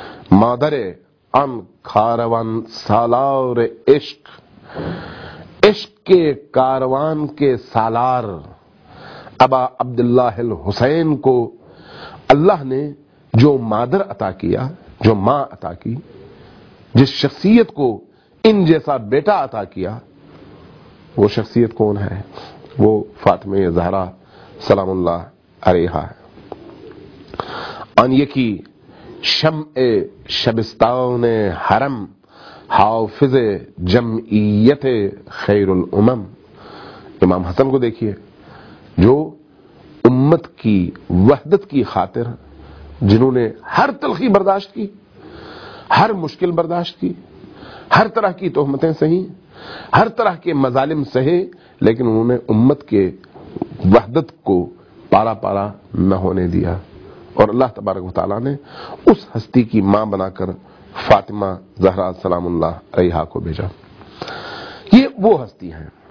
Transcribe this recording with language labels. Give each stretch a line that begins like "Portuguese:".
Persian: مادر ان کاروان سالار عشق،
Urdu: عشق کے کاروان کے سالار ابا عبداللہ الحسین کو اللہ نے جو مادر عطا کیا، جو ماں عطا کی، جس شخصیت کو ان جیسا بیٹا عطا کیا، وہ شخصیت کون ہے؟ وہ فاطمہ زہرا سلام اللہ علیہا ہے.
Persian: ان یکی شمع شبستان حرم، حافظ جمعیت خیر الامم.
Urdu: امام حسن کو دیکھیے، جو امت کی وحدت کی خاطر جنہوں نے ہر تلخی برداشت کی، ہر مشکل برداشت کی، ہر طرح کی تہمتیں سہی، ہر طرح کے مظالم سہے، لیکن انہوں نے امت کے وحدت کو پارا پارا نہ ہونے دیا، اور اللہ تبارک و تعالی نے اس ہستی کی ماں بنا کر فاطمہ زہرا سلام اللہ علیہا کو بھیجا. یہ وہ ہستی ہیں.